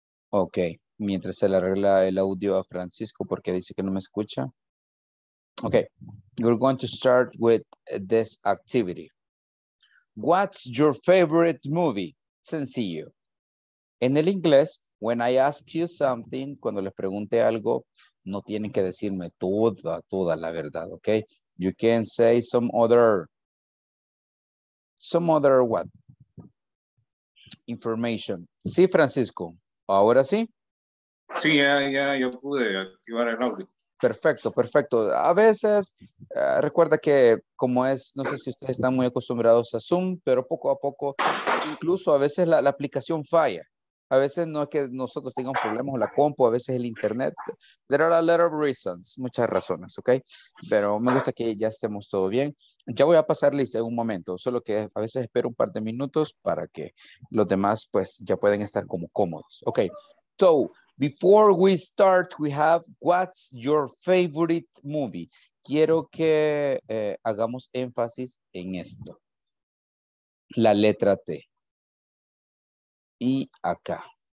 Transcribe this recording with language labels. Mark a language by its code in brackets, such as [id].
[en] Okay. [es] Mientras se le arregla el audio a Francisco porque dice que no me escucha. [en] Okay, we're going to start with this activity. What's your favorite movie? [es] Sencillo. En el inglés, [en] when I ask you something, [es] cuando les pregunte algo, no tienen que decirme toda la verdad, okay? [en] You can say some other what? Information. [es] Sí, Francisco. Ahora sí. Sí, ya pude activar el audio. Perfecto, perfecto. A veces, recuerda que como es, no sé si ustedes están muy acostumbrados a Zoom, pero poco a poco, incluso a veces la aplicación falla. A veces no es que nosotros tengamos problemas con la compu, a veces el internet. [en] There are a lot of reasons, [es] muchas razones, ¿ok? Pero me gusta que ya estemos todo bien. Ya voy a pasar lista en un momento, solo que a veces espero un par de minutos para que los demás, pues, ya pueden estar como cómodos. [en] Ok, so... Before we start, we have what's your favorite movie? [es] Quiero que hagamos énfasis en esto. La letra T. Y acá.